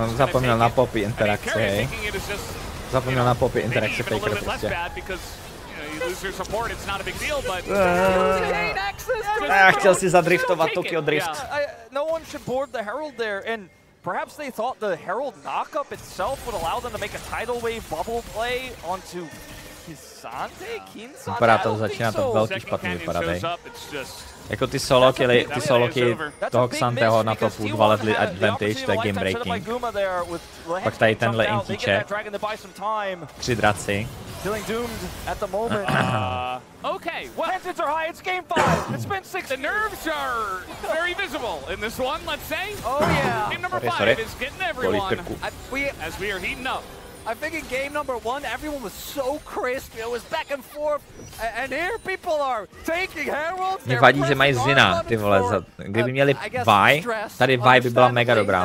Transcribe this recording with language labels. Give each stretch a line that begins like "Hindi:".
Czech: Zapomněl na Poppy interakce. Zapomněl na Poppy interakce.
English: A little bit less bad because you lose your support. It's not a big deal, but.
Czech: Chtěl si zadriftovat Tokyo Drift.
English: No one should board the Herald there, and perhaps they thought the Herald knockup itself would allow them to make a tidal wave bubble play onto Kisante.
Czech: Vypadá to, začíná to velký špatný vypadat. Jako ty solo killy, ty solo killy toho Xanteho na topu dva ledli advantage, to je game breaking. Pak tady tenhle intíček. Tři draci.
English: Feeling doomed at the moment. Okay, well, tensions are high. It's game five. It's been six. The nerves are very visible in this one, let's say. Oh, yeah. Game number five is getting everyone as we are heating up. I think in game number one, everyone was so crisp. It was back and forth. And here people are taking heralds.
Czech: Mě vadí, že mají Zina, ty vole. Kdyby měli Vi, tady Vi by byla mega dobrá.